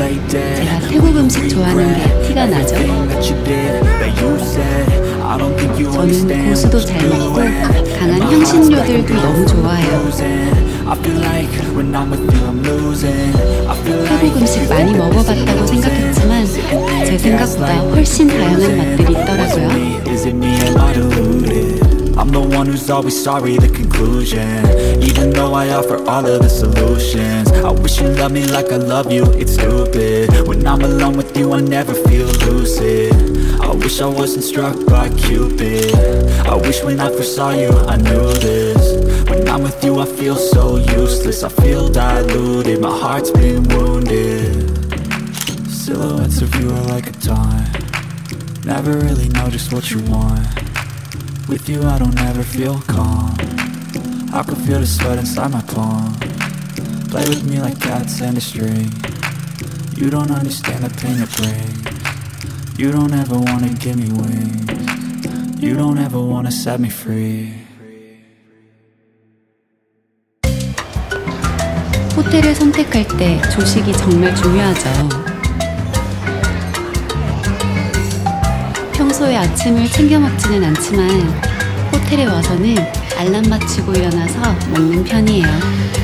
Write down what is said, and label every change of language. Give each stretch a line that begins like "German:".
Korean: 제가 태국 음식 좋아하는 게 티가 나죠? 저는 고수도 잘 먹고 강한 향신료들도 너무 좋아해요. 태국 음식 많이 먹어봤다고 생각했지만 제 생각보다 훨씬 다양한 맛들이 있더라고요.
English: I'm the one who's always sorry, the conclusion. Even though I offer all of the solutions, I wish you loved me like I love you, it's stupid. When I'm alone with you, I never feel lucid. I wish I wasn't struck by Cupid. I wish when I first saw you, I knew this. When I'm with you, I feel so useless. I feel diluted, my heart's been wounded. Silhouettes of you are like a taunt. Never really know just what you want. With you I don't ever feel calm. I can feel the sweat inside my palm. Play with me like cats and a string. You don't understand the pain it brings. You don't ever wanna give me wings. You don't ever wanna set me free.
Korean: 호텔을 선택할 때 조식이 정말 중요하죠. 평소에 아침을 챙겨 먹지는 않지만 호텔에 와서는 알람 맞추고 일어나서 먹는 편이에요.